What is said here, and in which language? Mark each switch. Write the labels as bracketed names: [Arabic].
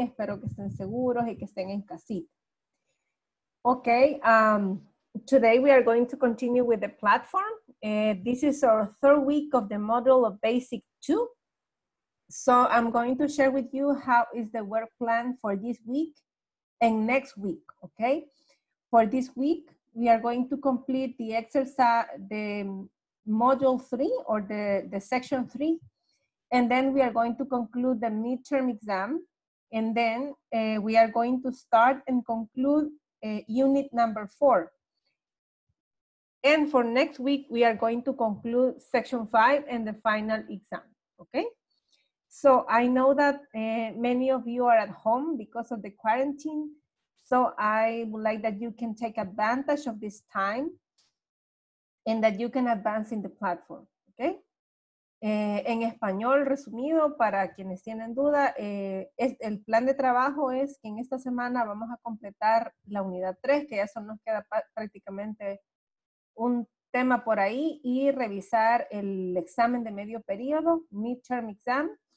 [Spanish] Espero que estén seguros y que estén en casita. [English] Okay. Today we are going to continue with the platform. This is our third week of the module of Basic 2. So I'm going to share with you how is the work plan for this week and next week, okay? For this week, we are going to complete the exercise, the module 3 or the section 3. And then we are going to conclude the midterm exam. And then we are going to start and conclude unit number 4. And for next week, we are going to conclude section 5 and the final exam, okay? So I know that many of you are at home because of the quarantine. So I would like that you can take advantage of this time and that you can advance in the platform, okay? [Spanish] En español resumido, para quienes tienen duda, el plan de trabajo es que en esta semana vamos a completar la unidad 3, que ya solo nos queda prácticamente un tema por ahí, y revisar el examen de medio periodo, midterm exam.